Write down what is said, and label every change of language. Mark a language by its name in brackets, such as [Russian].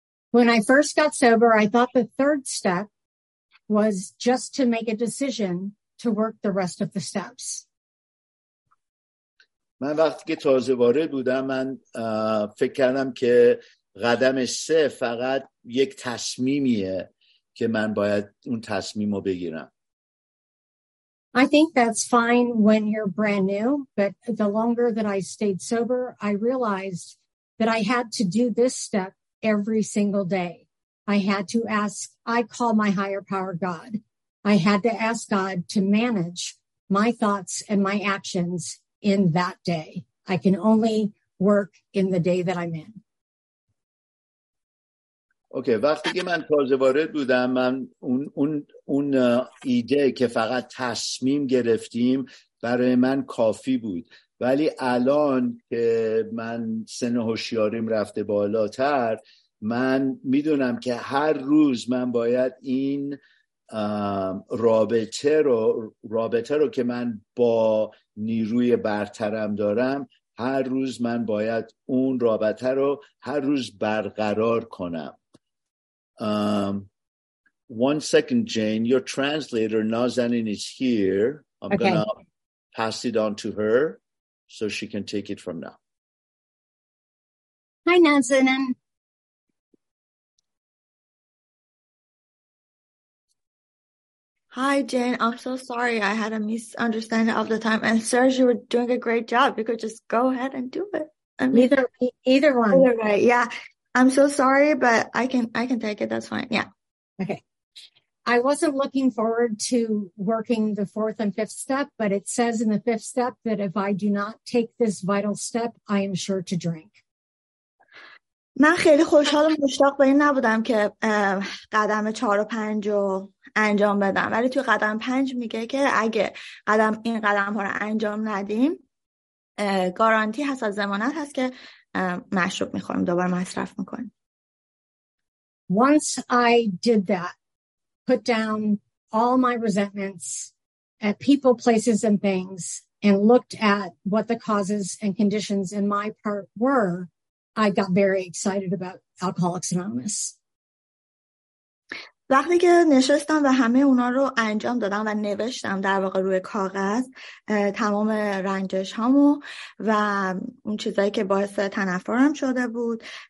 [English] When I first got sober, I thought the third step was just to make a decision to work the rest of the steps. [Persian] من وقتی که تازه وارد بودم من فکر کردم که قدم سه فقط یک تصمیمیه که من باید اون تصمیمو بگیرم. [English] I think that's fine when you're brand new, but the longer that I stayed sober, I realized that I had to do this step every single day. I had to ask, I call my higher power God. I had to ask God to manage my thoughts and my actions in that day. I can only work in the day that I'm in. [Persian] اوکی وقتی که من تازه وارد بودم من اون ایده که فقط تصمیم گرفتیم برای من کافی بود ولی الان که من سن هوشیاریم رفته بالاتر من میدونم که هر روز من باید این رابطه رو که من با نیروی برترم دارم هر روز من باید اون رابطه رو هر روز برقرار کنم. [English] One second, Jane, your translator Nazanin is here. I'm okay. Gonna pass it on to her so she can take it from now. Hi, Nazanin. Hi, Jane. I'm so sorry. I had a misunderstanding of the time. And Serge, you were doing a great job. You could just go ahead and do it. Either one. Either way, yeah. I'm so sorry, but I can take it. That's fine. Yeah. Okay. I wasn't looking forward to working the fourth and fifth step, but it says in the fifth step that if I do not take this vital step, I am sure to drink. [Persian] من خیلی خوشحال و مشتاق به این نبودم که قدم 4 و 5 رو انجام بدم. ولی توی قدم 5 میگه که اگه قدم این قدم ها رو انجام ندیم، گارانتی هست از ضمانت هست که مشروب میخوریم دوباره مصرف میکنیم. [English] Once I did that, put down all my resentments at people, places, and things, and looked at what the causes and conditions in my part were, I got very excited about Alcoholics Anonymous. [Persian] وقتی که نشستم و همه اونا رو انجام دادم و نوشتم در واقع روی کاغذ تمام رنجش هامو و اون چیزایی که باعث تنفرم شده بود